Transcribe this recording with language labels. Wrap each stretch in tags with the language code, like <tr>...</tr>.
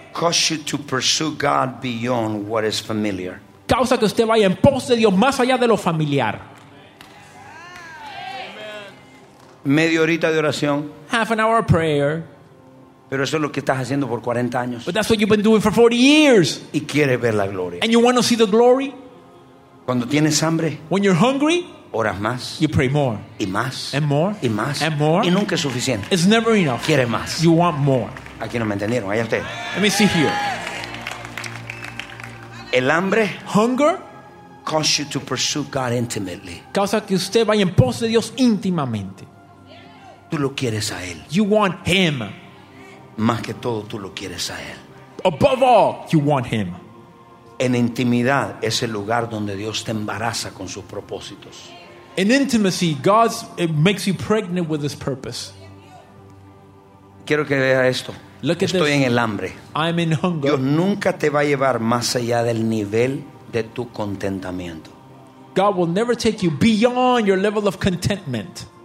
<en>Causes you to pursue God beyond what is familiar.</en> <es>Causa que usted vaya en pos de Dios más allá de lo familiar. Media horita de oración.</es> <en>Half an hour of prayer.</en> <es>Pero eso es lo que estás haciendo por 40 años.</es> <en>But that's what you've been doing for 40 years.</en> <es>Y quieres ver la gloria.</es> <en>And you want to see the glory.</en> <es>Cuando tienes hambre.</es> <en>When you're hungry.</en> <es>Oras más.</es> <en>You pray more.</en> <es>Y más.</es> <en>And more.</en> <es>Y más.</es> <en>And more.</en> <es>Y nunca es suficiente.</es> <en>It's never enough.</en> <es>Quieres más.</es> <en>You want more.</en> <es>Aquí no me entendieron. Allá usted.</es> <en>Let me see here.</en> <es>El hambre.</es> <en>Hunger. Causes you to pursue God intimately.</en> <es>Causa que usted vaya en pos de Dios íntimamente. Tú lo quieres a él.</es> <en>You want him.</en> <es>Más que todo tú lo quieres a él.</es> <en>Above all, you want him.</en> <es>En intimidad es el lugar donde Dios te embaraza con sus propósitos.</es> <en>In intimacy, God makes you pregnant with his purpose.</en> <es>Quiero que vea esto.</es> <en>Look at</en> <es>estoy En el hambre.</es> <en>I'm in hunger.</en> <es>Dios nunca te va a llevar más allá del nivel de tu contentamiento.</es> <en>God will never take you beyond your level of contentment.</en>